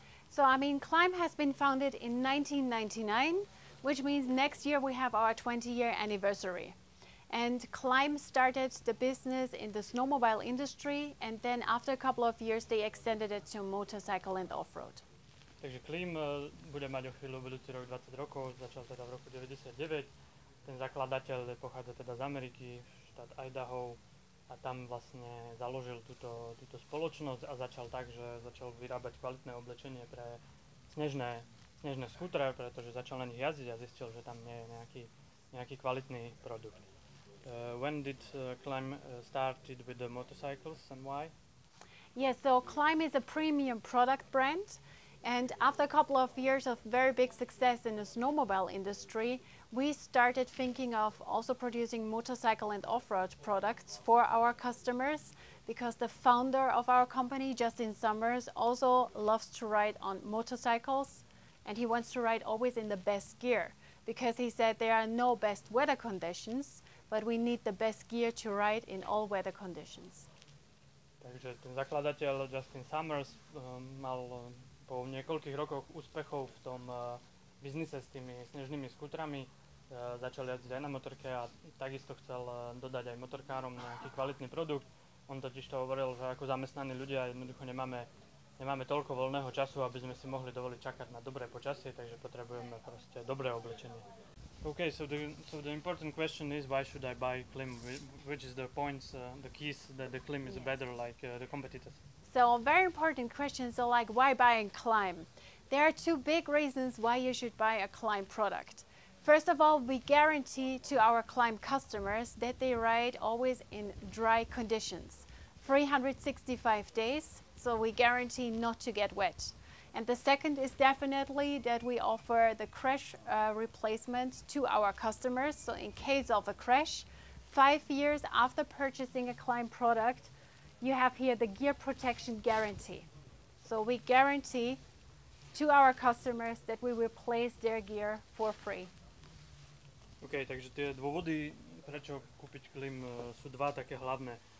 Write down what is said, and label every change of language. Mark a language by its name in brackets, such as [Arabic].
[English] so, I mean, Klim has been founded in 1999, which means next year we have our 20-year anniversary. And Klim started the business in the snowmobile industry, and then after a couple of years they extended it to motorcycle and off-road. [Slovak] Takže Klim bude mať o chvíľu budúci rok 20 rokov, začal teda v roku 99. Ten zakladateľ pochádza teda z Ameriky, štát Idaho, a tam vlastne založil túto spoločnosť a začal tak, že začal vyrábať kvalitné oblečenie pre snežné skútre, pretože začal na nich jazdiť a zistil, že tam nie je nejaký kvalitný produkt. [English] When did Klim started with the motorcycles and why? Yes, so Klim is a premium product brand, and after a couple of years of very big success in the snowmobile industry, we started thinking of also producing motorcycle and off-road products for our customers, because the founder of our company, Justin Summers, also loves to ride on motorcycles, and he wants to ride always in the best gear, because he said there are no best weather conditions, but we need the best gear to ride in all weather conditions. [Slovak] Takže ten zakladateľ Justin Summers mal po niekoľkých rokoch úspechov v tom biznise s tými snežnými skútrami. Začal jazdiť aj na motorke a takisto chcel dodať aj motorkárom nejaký kvalitný produkt. On totiž to hovoril, že ako zamestnaní ľudia jednoducho nemáme toľko voľného času, aby sme si mohli dovoliť čakať na dobré počasie, takže potrebujeme proste dobré oblečenie. [English] OK, so the important question is, why should I buy Klim? Which is the points, the keys that the Klim is better like the competitors? So a very important question, so like, why buying Klim? There are two big reasons why you should buy a Klim product. First of all, we guarantee to our Klim customers that they ride always in dry conditions, 365 days, so we guarantee not to get wet. And the second is definitely that we offer the crash replacement to our customers, so in case of a crash, 5 years after purchasing a Klim product, you have here the gear protection guarantee. So we guarantee to our customers that we replace their gear for free. [Slovak] OK, takže tie dôvody, prečo kúpiť Klim, sú dva také hlavné.